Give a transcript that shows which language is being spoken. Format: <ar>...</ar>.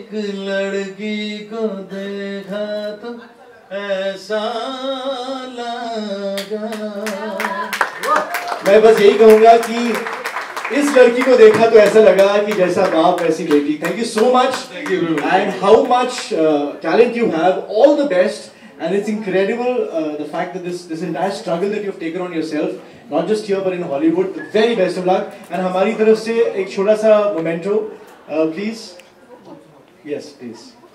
<hi>एक लड़की को देखा तो ऐसा लगा। मैं बस यही कहूंगा कि इस लड़की को देखा तो ऐसा लगा कि जैसा बाप वैसी बेटी।</hi> <en>Thank you so much and how much talent you have, all the best. And it's incredible the fact that this entire struggle that you've taken on yourself, not just here but in Hollywood, the very best of luck.</en> <hi>And हमारी तरफ से एक छोटा सा</hi> <en>memento, please. Yes, please.</en>